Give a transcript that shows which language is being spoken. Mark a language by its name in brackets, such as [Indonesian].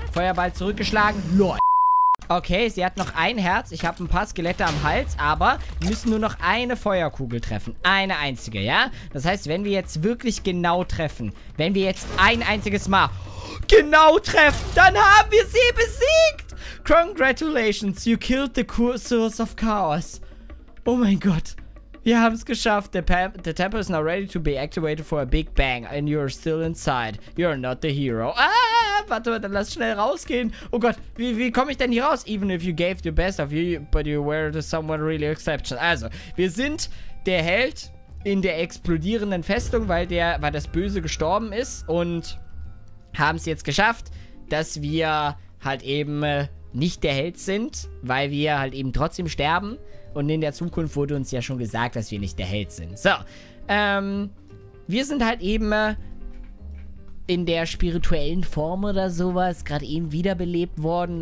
[German] Feuerball zurückgeschlagen, lol. Okay, sie hat noch ein Herz. Ich habe ein paar Skelette am Hals, aber wir müssen nur noch eine Feuerkugel treffen. Eine einzige, ja? Das heißt, wenn wir jetzt wirklich genau treffen, wenn wir jetzt ein einziges Mal genau treffen, dann haben wir sie besiegt! [English] Congratulations, you killed the source of chaos. [German] Oh mein Gott. Wir haben es geschafft. [English] The temple is now ready to be activated for a big bang. And you're still inside. You're not the hero. [German] Ah, warte, warte, lass schnell rausgehen. Oh Gott, wie komme ich denn hier raus? [English] Even if you gave the best of you, but you were someone really exceptional. [German] Also, wir sind der Held in der explodierenden Festung, weil das Böse gestorben ist. Und haben es jetzt geschafft, dass wir halt eben nicht der Held sind, weil wir halt eben trotzdem sterben. Und in der Zukunft wurde uns ja schon gesagt, dass wir nicht der Held sind. So, wir sind halt eben in der spirituellen Form oder sowas gerade eben wiederbelebt worden.